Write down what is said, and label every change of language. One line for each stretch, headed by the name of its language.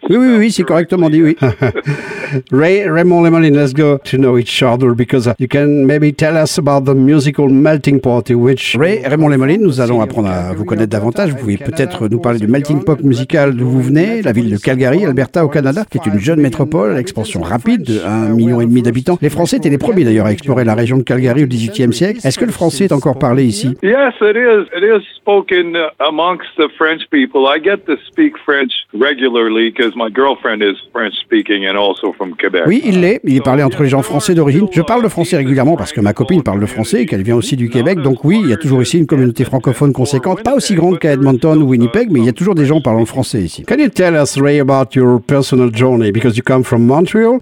French: oui, c'est correctement dit, oui.
English: Raymond Lamolin, let's go to know each other because you can maybe tell us about the musical melting pot in which Raymond Lamolin,
French: nous allons apprendre à vous connaître davantage. Vous pouvez peut-être nous parler du melting pot musical d'où vous venez, la ville de Calgary, Alberta, au Canada, qui est une jeune métropole, expansion rapide de 1,5 million d'habitants. Les Français étaient les premiers d'ailleurs à explorer la région de Calgary au 18e siècle. Est-ce que le français est encore parlé ici?
English: Yes, it is. It is spoken amongst the French people. I get to speak French regularly because my girlfriend is French speaking and also from Quebec.
French: Oui, il l'est. Il est parlé entre les gens français d'origine. Je parle le français régulièrement parce que ma copine parle le français et qu'elle vient aussi du Québec. Donc oui, il y a toujours ici une communauté francophone conséquente, pas aussi grande qu'à Edmonton ou Winnipeg, mais il y a toujours des gens parlant français ici.
English: Can you tell us, Ray, about your personal journey because you come from Montreal?